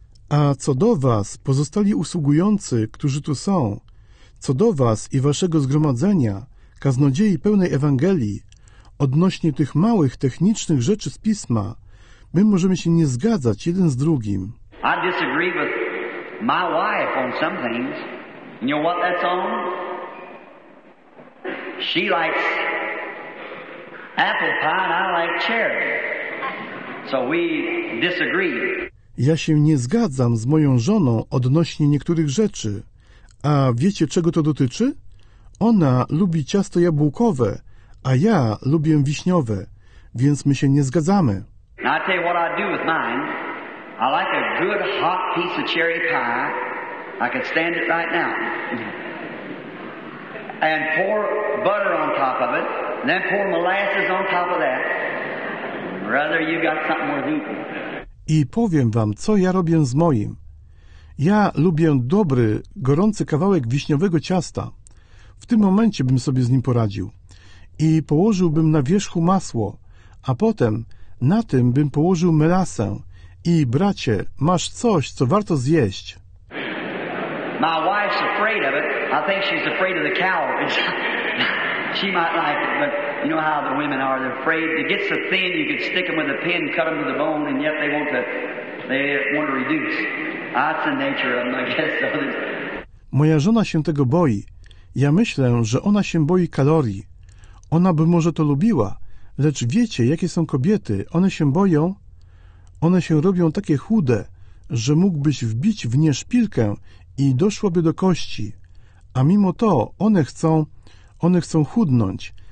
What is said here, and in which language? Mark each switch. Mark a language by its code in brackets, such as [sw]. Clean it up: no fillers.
[pl] A co do was, pozostali usługujący, którzy tu są, co do was i waszego zgromadzenia, kaznodziei pełnej Ewangelii, odnośnie tych małych, technicznych rzeczy z Pisma, my możemy się nie zgadzać jeden z drugim. [en] I disagree with my wife on some things. You know what that's on? She likes apple pie and I like cherry. So we disagree. [pl] Ja się nie zgadzam z moją żoną odnośnie niektórych rzeczy. A wiecie, czego to dotyczy? Ona lubi ciasto jabłkowe, a ja lubię wiśniowe, więc my się nie zgadzamy. [en] Now I tell you what I do with mine. I like a good hot piece of cherry pie. I could stand it right now. And pour butter on top of it, and then pour molasses on top of that. Brother, you got something more deep. [pl] I powiem wam, co ja robię z moim. Ja lubię dobry, gorący kawałek wiśniowego ciasta. W tym momencie bym sobie z nim poradził. I położyłbym na wierzchu masło, a potem na tym bym położył melasę. I bracie, masz coś, co warto zjeść. [en] My wife's afraid of it. I think she's afraid of the calories. She might like it, but you know how the women are. They're afraid. It gets so thin, you could stick them with a pin, cut them to the bone, and yet they want to reduce. That's the nature of them, I guess. [pl] Moja żona się tego boi. Ja myślę, że ona się boi kalorii. Ona by może to lubiła, lecz wiecie, jakie są kobiety. One się boją. One się robią takie chude, że mógłbyś wbić w nie szpilkę i doszłoby do kości, a mimo to one chcą chudnąć.